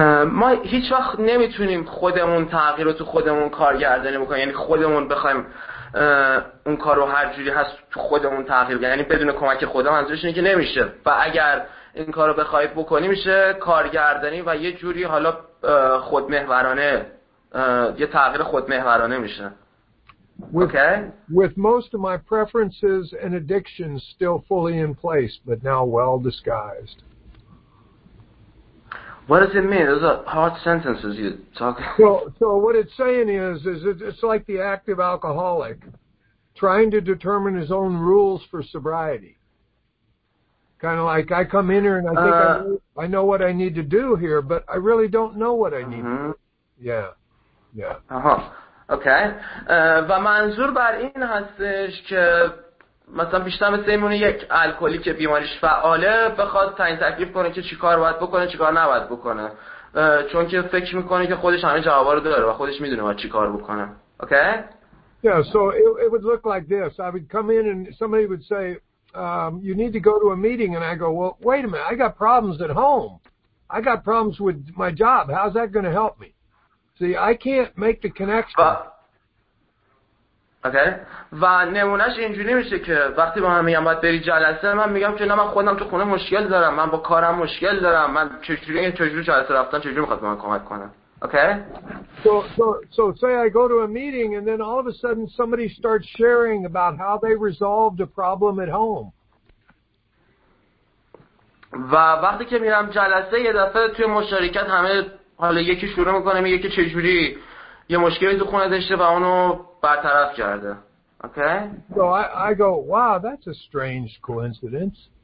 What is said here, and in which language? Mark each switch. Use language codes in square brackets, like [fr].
[fa] ما هیچ وقت نمیتونیم خودمون تغییر رو تو خودمون کارگردانی بکنیم، یعنی خودمون بخوایم اون کار رو هر جوری هست تو خودمون تغییر بکنیم، یعنی بدون کمک خدا. منظورش اینه که نمیشه، و اگر این کار رو بخوایی بکنی میشه کارگردانی و یه جوری حالا خودمحورانه، یه تغییر خودمحورانه میشه. [en] Okay. With most of my preferences and addictions still fully in place but now well disguised. What does it mean? Those are hard sentences you talk about. So what it's saying is it's like the active alcoholic trying to determine his own rules for sobriety. Kind of like, I come in here and I think I know what I need to do here, but I really don't know what I need to do. Yeah, yeah. Uh-huh. Okay. [fa] و منظور بر این هستش که مثلا بیشتر مثل ایمونه یک الکلی که بیماریش فعاله بخواد تعیین تکلیف کنه که چی کار باید بکنه چی کار نباید بکنه، چون که فکر میکنه که خودش همه جوابا رو داره و خودش میدونه باید چی کار بکنه. [en] Okay? Yeah, so it would look like this. I would come in and somebody would say, you need to go to a meeting. And I go, well, wait a minute, I got problems at home. I got problems with my job. How's that going to help me? See, I can't make the connection. Okay. [fa] و نمونهش اینجوری میشه که وقتی با هم میگم باید بری جلسه، من میگم که نه، من خودم تو خونه مشکل دارم، من با کارم مشکل دارم، من چجوری جلسه رفتن چجوری میخواد به من کمک کنم. [en] Okay. So say I go to a meeting and then all of a sudden somebody starts sharing about how they resolved a problem at home. [fa] و وقتی که میرم جلسه یه دفعه توی مشارکت همه حالا یکی شروع میکنه میگه که چجوری یه مشکلی تو خونه داشته و اونو برطرف کرده. [en] Okay? So I go, wow, that's a strange coincidence.